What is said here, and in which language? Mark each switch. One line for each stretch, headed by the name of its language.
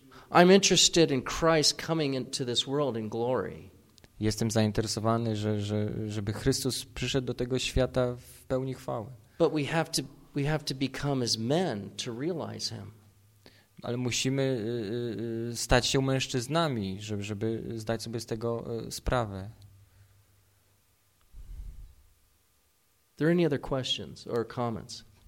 English: I'm interested in Christ coming into this world in glory.
Polish: Jestem zainteresowany, żeby Chrystus przyszedł do tego świata w pełni chwały.
English: But we have to become as men to realize him.
Polish: Ale musimy stać się mężczyznami, żeby zdać sobie z tego sprawę.
English: Are there any other questions or comments?